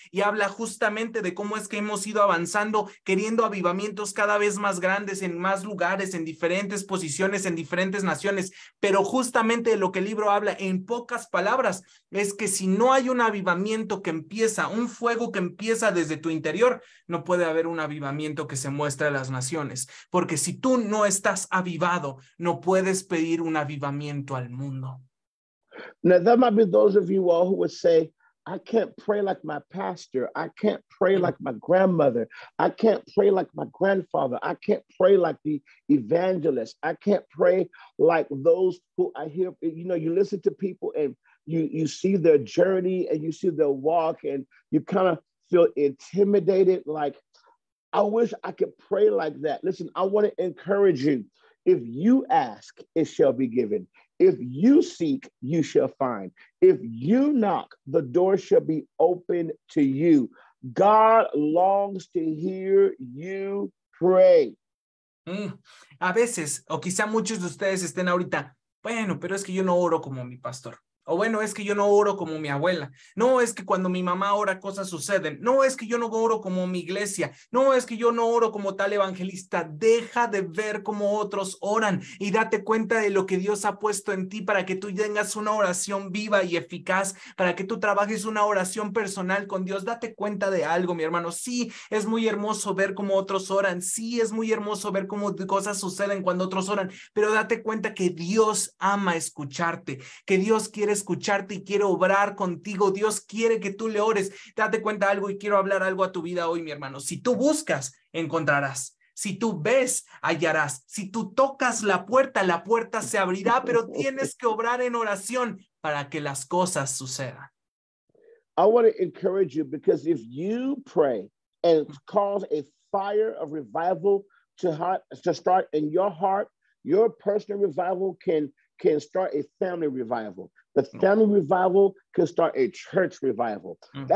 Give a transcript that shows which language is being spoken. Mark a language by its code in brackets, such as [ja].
[es] Y habla justamente de cómo es que hemos ido avanzando queriendo avivamientos cada vez más grandes en más lugares, en diferentes posiciones en diferentes naciones, pero justamente lo que el libro habla en pocas palabras es que si no hay un avivamiento que empieza, un fuego que empieza desde tu interior, no puede haber un avivamiento que se muestre a las naciones, porque si tú no estás avivado, no puedes pedir un avivamiento al mundo. [en] Now there might be those of you all who would say, I can't pray like my pastor, I can't pray like my grandmother, I can't pray like my grandfather, I can't pray like the evangelist, I can't pray like those who I hear, you know, you listen to people and you see their journey and you see their walk and you kind of feel intimidated, like, I wish I could pray like that. Listen, I want to encourage you, if you ask, it shall be given. If you seek, you shall find. If you knock, the door shall be open to you. God longs to hear you pray. [es] A veces, o quizá muchos de ustedes estén ahorita, bueno, pero es que yo no oro como mi pastor. O bueno, es que yo no oro como mi abuela. No, es que cuando mi mamá ora, cosas suceden. No, es que yo no oro como mi iglesia. No, es que yo no oro como tal evangelista. Deja de ver cómo otros oran y date cuenta de lo que Dios ha puesto en ti para que tú tengas una oración viva y eficaz, para que tú trabajes una oración personal con Dios. Date cuenta de algo, mi hermano. Sí, es muy hermoso ver cómo otros oran. Sí, es muy hermoso ver cómo cosas suceden cuando otros oran. Pero date cuenta que Dios ama escucharte, que Dios quiere escucharte y quiere obrar contigo. Dios quiere que tú le ores. Date cuenta algo y quiero hablar algo a tu vida hoy, mi hermano. Si tú buscas, encontrarás. Si tú ves, hallarás. Si tú tocas la puerta se abrirá, pero tienes que obrar en oración para que las cosas sucedan. [en] I want to encourage you because if you pray and cause a fire of revival to start in your heart, your personal revival can start a family revival. The family revival can start a church revival. Mm-hmm.